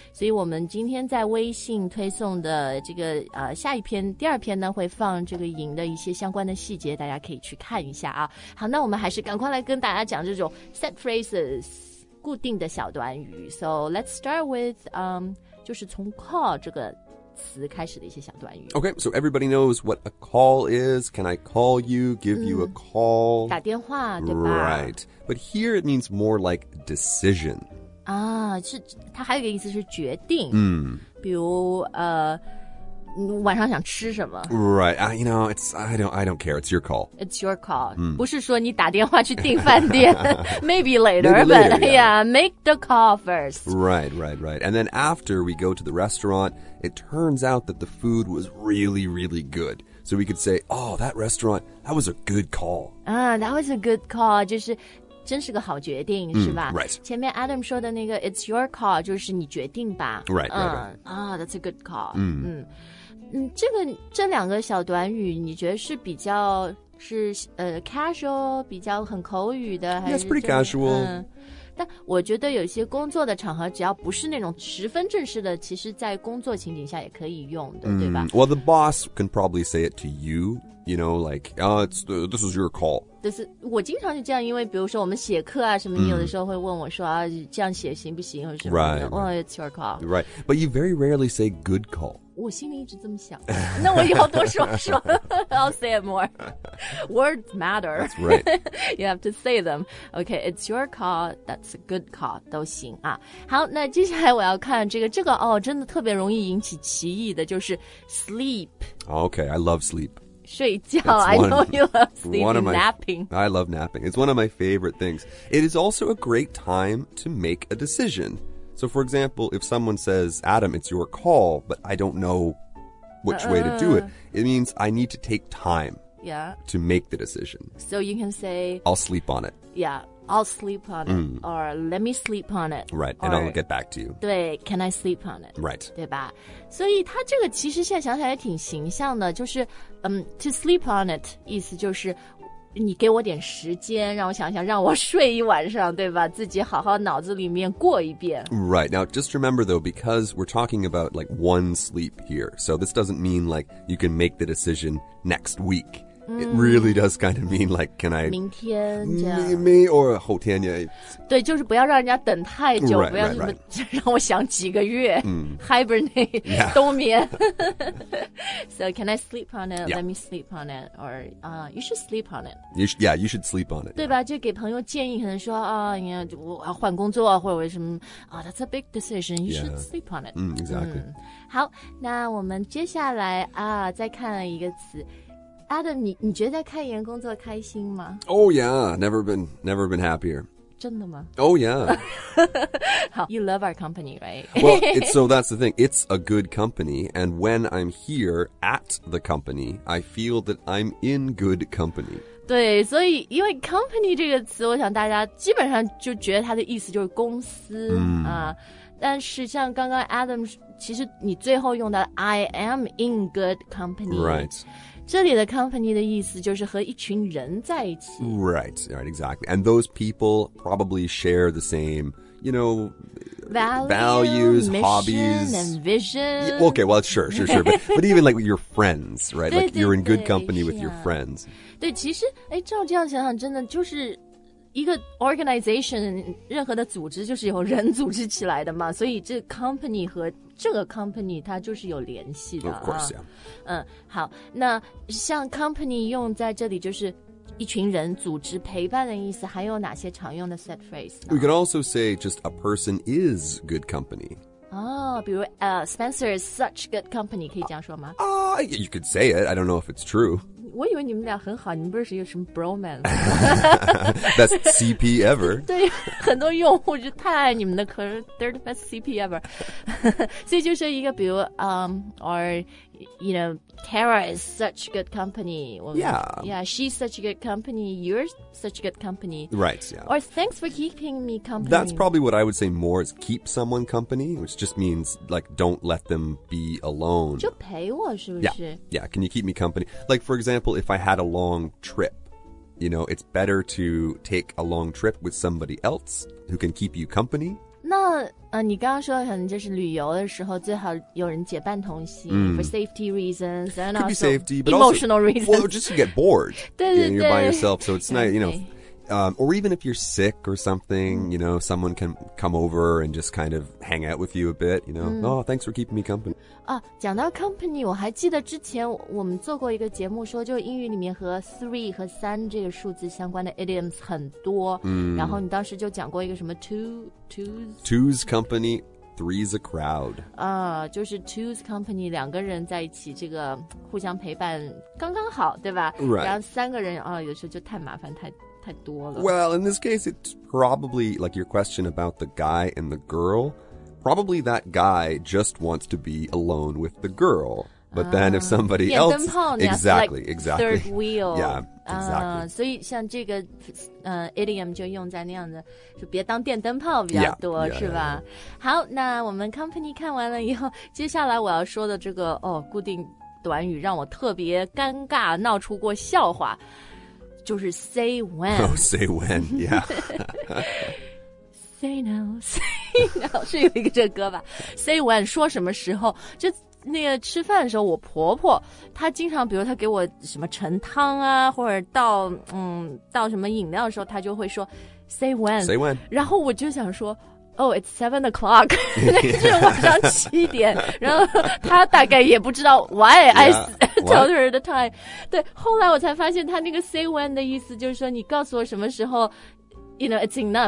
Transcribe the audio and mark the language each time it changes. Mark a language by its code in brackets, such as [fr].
[zh] 所以我们今天在微信推送的这个下一篇第二篇呢，会放这个营的一些相关的细节，大家可以去看一下啊。好，那我们还是赶快来跟大家讲这种 set phrases 固定的小短语。 [en] So let's start with [zh] 就是从 call 这个词开始的一些小短语。 [en] Okay, so everybody knows what a call is. Can I call you? Give you a call? [zh] 打电话，对吧？ [en] Right. But here it means more like decision. [zh] 啊，是，它还有一个意思是决定。比如晚上想吃什么 [en] ？Right, you know, it's I don't care. It's your call. It's your call.、 [zh] 不是说你打电话去订饭店。 [en] Maybe later, yeah, make the call first. Right, right, right. And then after we go to the restaurant, it turns out that the food was really, really good. So we could say, "Oh, that restaurant, that was a good call." That was a good call. [zh] 就是真是个好决定，是吧 [en] ？Right. [zh] 前面 Adam 说的那个 "It's your call" 就是你决定吧。 [en] Right. That's a good call. [zh] 这两个小短语，你觉得是比较是casual， 比较很口语的，还是 [en] ？Yes, pretty casual.、 [zh] 但我觉得有些工作的场合，只要不是那种十分正式的，其实在工作情景下也可以用的，对吧 [en] ？Well, the boss can probably say it to you. You know, like, this is your call. [zh] 我经常就这样，因为比如说我们写课啊什么，你有的时候会问我说啊，这样写行不行？或者什么的 [en] ？Right. Well, it's your call. Right. But you very rarely say good call. [zh] 我心里一直这么想。那我以后多说说。 [en] I'll say it more. Words matter. That's right. You have to say them. Okay, it's your call. That's a good call. [zh] 都行啊。好，那接下来我要看这个哦，真的特别容易引起歧义的，就是 sleep. [en] Okay, I love sleep. 睡觉 I know you love sleeping, napping. I love napping. It's one of my favorite things. It is also a great time to make a decision. So, for example, if someone says, Adam, it's your call, but I don't know which way to do it, it means I need to take time to make the decision. So you can say, I'll sleep on it. Yeah. I'll sleep on it, or let me sleep on it. Right, and I'll get back to you. 对 can I sleep on it? Right. [zh] 对吧？所以它这个其实现在想起来也挺形象的，就是 [en] to sleep on it, [zh] 意思就是你给我点时间，让我想想，让我睡一晚上，对吧？自己好好脑子里面过一遍。 [en] Right, now just remember though, because we're talking about like one sleep here, so this doesn't mean like you can make the decision next week. It really does kind of mean like, can I... [zh] 明天这样。 [en] Me or 后天 yeah. [zh] 对就是不要让人家等太久 [en] right, [zh] 不要这么 [en] right. [zh] 让我想几个月、Hibernate、 [en] yeah. 冬眠。So can I sleep on it?、 Yeah. Let me sleep on it. Or、you should sleep on it. You should sleep on it. [zh] 对吧、yeah. 就给朋友建议可能说、我要换工作或者什么、 [en] that's a big decision. You should sleep on it.、 Exactly.、 [zh] 好那我们接下来、再看一个词。 Adam, 你觉得在开源工作开心吗 [en] Oh yeah, never been happier. [zh] 真的吗 [en] Oh yeah. 好 You love our company, right? Well, so that's the thing. It's a good company. And when I'm here at the company, I feel that I'm in good company. [zh] 对所以因为 company 这个词我想大家基本上就觉得它的意思就是公司、但是像刚刚 Adam, 其实你最后用的 [en] I am in good company. Right. [zh] 这里的 company 的意思就是和一群人在一起。 [en] Right, exactly. And those people probably share the same, you know, values, mission, hobbies. And vision. Yeah, okay, well, sure. but even like your friends, right? Like you're in good company with your friends. [zh] 对其实哎照这样想想真的就是一个 organization, 任何的组织就是由人组织起来的嘛。所以这 company 和这个 company 它就是有联系的、 [en] Of course, yeah. [zh] 好那像 company 用在这里就是一群人组织陪伴的意思还有哪些常用的 set phrase 呢 [en] We can also say just a person is good company. [zh] 哦比如、 [en] Spencer is such good company, [zh] 可以这样说吗 [en] You could say it, I don't know if it's true. [zh] 我以为你们俩很好，你们不是有什么 bromance？ [en] Best CP ever。 [zh] 对，很多用户就太爱你们的，可是 [en] third best CP ever。 [zh] 所以就是一个，比如 [en] or you know, Tara is such good company. Yeah, she's such a good company. You're such a good company. Right. Yeah. Or thanks for keeping me company. That's probably what I would say more is keep someone company, which just means like don't let them be alone. [zh] 就陪我是不是 [en] Yeah. Can you keep me company? Like for example, if I had a long trip. You know, it's better to take a long trip with somebody else who can keep you company. [zh] 那、你刚刚说的可能就是旅游的时候最好有人结伴同行、 [en] for safety reasons and Could also be safety, but emotional also, reasons. Well, just to get bored. [zh] 对对对 [en] You're by yourself, so it's nice, you know. Or even if you're sick or something, you know, someone can come over and just kind of hang out with you a bit, you know.、 Oh, thanks for keeping me company. [zh] 讲到 company, 我还记得之前我们做过一个节目说就英语里面和 three 和三这个数字相关的 idioms 很多、然后你当时就讲过一个什么 two's [en] company, three's a crowd. [zh] 就是 two's company, 两个人在一起这个互相陪伴刚刚好对吧、 [en] right. [zh] 然后三个人、有时候就太麻烦太多了 [en] Well, in this case, it's probably like your question about the guy and the girl. Probably that guy just wants to be alone with the girl. But then if somebody else... Exactly, like, exactly. Third wheel. Yeah, exactly. [zh] 所以像这个、idiom 就用在那样的就别当电灯泡比较多 [en] yeah, [zh] 是吧 [en] yeah, yeah. [zh] 好那我们 company 看完了以后接下来我要说的这个、固定短语让我特别尴尬闹出过笑话就是 say when. [en] Oh, say when, yeah. [zh] say now, 是有一个这个歌吧。Say when, 说什么时候。就那个吃饭的时候我婆婆她经常比如她给我什么盛汤啊或者倒什么饮料的时候她就会说 say when. [en] Say when. [zh] 然后我就想说 [en] oh, it's 7 o'clock. [zh] 就是晚上七点。然后他大概也不知道 [en] why I told her the time. [zh] 对，后来我才发现他那个 say when 的意思就是说你告诉我什么时候 [en] You know, it's enough.